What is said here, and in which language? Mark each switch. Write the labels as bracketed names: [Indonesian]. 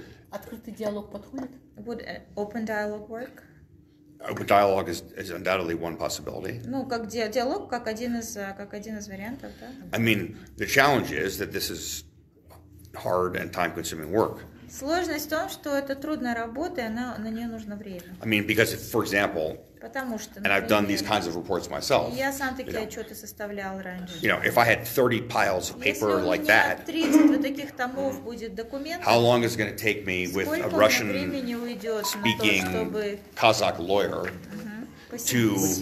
[Russian] открытый диалог подходит? [English] Would open dialogue work? Dialogue is undoubtedly one possibility. [Russian] Ну, как диалог, как один из вариантов, да? [English] I mean, the challenge is that this is hard and time-consuming work. [Russian] Сложность в том, что это трудная работа, и на нее нужно время. [English] I mean, because, for example, [Russian] потому что, [English] and I've done these kinds of reports myself. [Russian] Я сам такие отчеты составлял раньше. [English] You know, if I had 30 piles of paper like that, [Russian] если у меня 30 вот таких томов будет документов, [English] how long is it going to take me with a Russian speaking Kazakh lawyer to